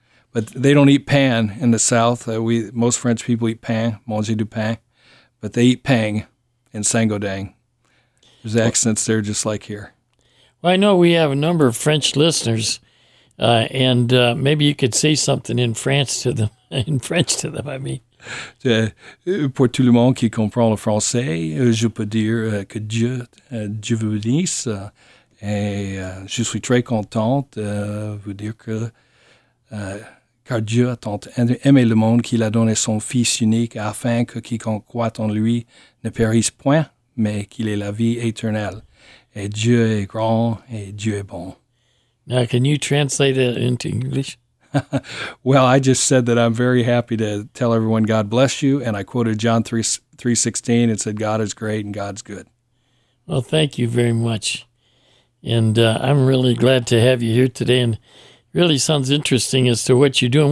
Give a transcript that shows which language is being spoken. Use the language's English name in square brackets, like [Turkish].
[English] But they don't eat pain in the South. Most French people eat pain, [French] manger du pain, [English] but they eat pang in Saint-Gaudens. There's accents there just like here. Well, I know we have a number of French listeners, and maybe you could say something in France to them, in French to them, I mean. [French] Pour tout le monde qui comprend le français, je peux dire que Dieu vous bénisse, et je suis très content de vous dire que car Dieu a tant aimé le monde qu'il a donné son Fils unique afin que quiconque croit en lui ne périsse point, mais qu'il ait la vie éternelle. Et Dieu est grand et Dieu est bon. [English] Now, can you translate it into English? Well, I just said that I'm very happy to tell everyone God bless you, and I quoted John 3:16 and said, God is great and God's good. Well, thank you very much. And I'm really glad to have you here today, and really sounds interesting as to what you're doing.